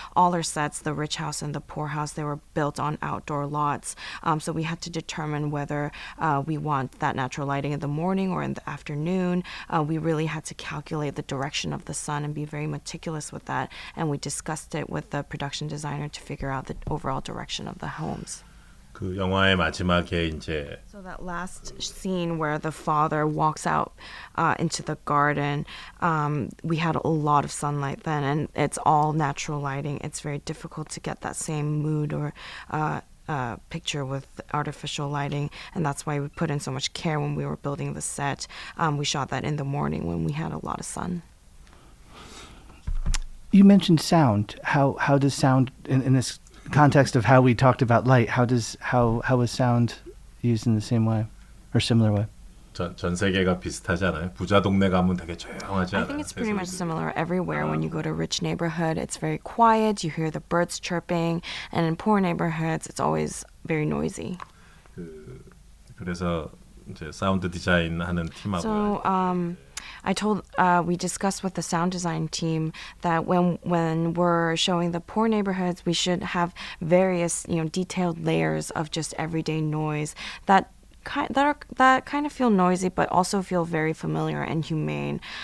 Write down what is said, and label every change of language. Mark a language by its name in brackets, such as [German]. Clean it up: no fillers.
[English] All our sets, the rich house and the poor house, they were built on outdoor lots. So we had to determine whether we want that natural lighting in the morning or in the afternoon. We really had to calculate the direction of the sun and be very meticulous with that. And we discussed it with the production designer to figure out the overall direction of the homes. [Korean] 그 영화의 마지막에 이제 [English] So that last scene where the father walks out into the garden, we had a lot of sunlight then, and it's all natural lighting. It's very difficult to get that same mood or picture with artificial lighting, and that's why we put in so much care when we were building the set. We shot that in the morning when we had a lot of sun. You mentioned sound. How does sound in this context of how we talked about light, how is sound used in the same way or similar way? [Korean] 전 세계가 비슷하잖아요. 부자 동네 가면 되게 조용하지 않아요. [English] I think it's pretty much similar everywhere. When you go to a rich neighborhood, it's very quiet. You hear the birds chirping. And in poor neighborhoods, it's always very noisy. [Korean] 그래서 이제 사운드 디자인 하는 팀하고 [English] so, I told we discussed with the sound design team that when we're showing the poor neighborhoods, we should have various, you know, detailed layers of just everyday noise that kind of feel noisy but also feel very familiar and humane.